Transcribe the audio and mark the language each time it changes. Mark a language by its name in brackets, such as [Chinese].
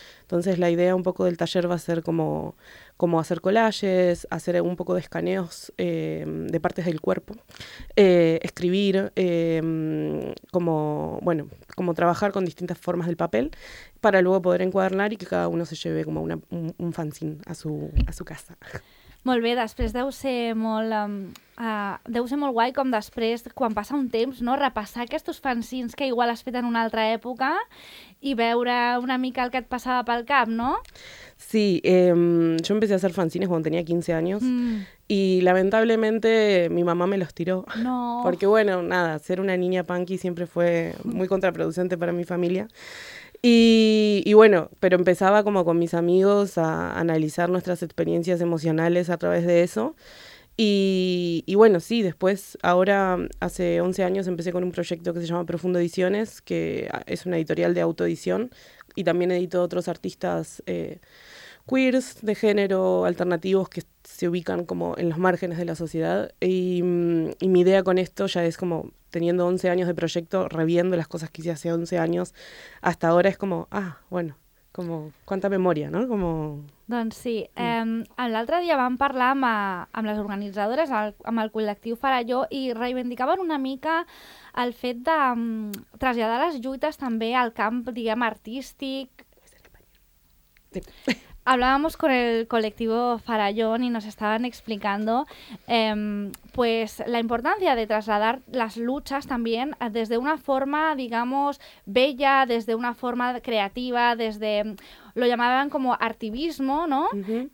[Spanish] Entonces, la idea un poco del taller va a ser como hacer collages, hacer un poco de escaneos de partes del cuerpo, escribir, como trabajar con distintas formas del papel para luego poder encuadernar y que cada uno se lleve como un fanzine a su casa. [Catalan] Molt bé, després deu ser molt guai com després, quan passa un temps, no, repassar aquests fanzins que igual has fet en una altra època i veure una mica el que et passava pel cap, no? [Spanish] Sí, yo empecé a hacer fanzines cuando tenía 15 años y lamentablemente mi mamá me los tiró. No. Porque bueno, nada, ser una niña punky siempre fue muy contraproducente para mi familia. Y bueno, pero empezaba como con mis amigos a analizar nuestras experiencias emocionales a través de eso. Y bueno, sí, después, ahora hace 11 años empecé con un proyecto que se llama Profundo Ediciones, que es una editorial de autoedición, y también edito otros artistas queers, de género, alternativos, que se ubican como en los márgenes de la sociedad. Y mi idea con esto ya es como, teniendo 11 años de proyecto, reviendo las cosas que hice hace 11 años, hasta ahora es como, bueno, como, cuánta memoria, ¿no? Como... [Catalan] Doncs sí, l'altre dia vam parlar amb les organitzadores, amb el col·lectiu Faralló, i reivindicaven una mica el fet de traslladar les lluites també al camp, diguem, artístic. [Spanish] Hablábamos con el colectivo Farallón y nos estaban explicando pues la importancia de trasladar las luchas también desde una forma, digamos, bella, desde una forma creativa, desde lo llamaban como artivismo, ¿no? Uh-huh.